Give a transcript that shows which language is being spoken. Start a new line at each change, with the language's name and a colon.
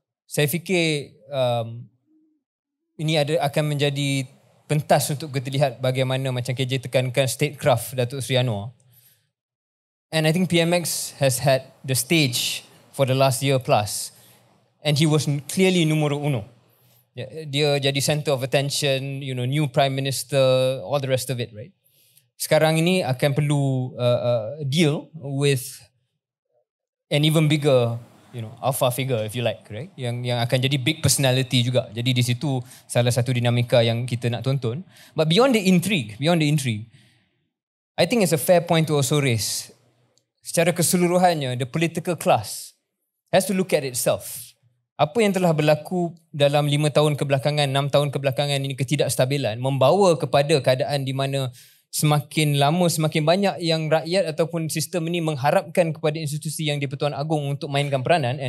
Malay: Saya fikir ini akan menjadi pentas untuk kita lihat bagaimana macam KJ tekankan statecraft Datuk Seri Anwar.
English: And I think PMX has had the stage for the last year plus. And he was clearly numero uno.
Malay: Dia jadi
English: center of attention, you know, new prime minister, all the rest of it, right?
Malay: Sekarang ini akan perlu
English: deal with an even bigger, you know, alpha figure, if you like, right?
Malay: Yang akan jadi
English: big personality
Malay: juga. Jadi di situ salah satu dinamika yang kita nak tonton.
English: But beyond the intrigue, I think it's a fair point to also raise.
Malay: Secara keseluruhannya,
English: the political class has to look at itself.
Malay: Apa yang telah berlaku dalam 5 tahun kebelakangan, 6 tahun kebelakangan ini, ketidakstabilan membawa kepada keadaan di mana semakin lama, semakin banyak yang rakyat ataupun sistem ini mengharapkan kepada institusi yang di-Pertuan Agong untuk mainkan peranan.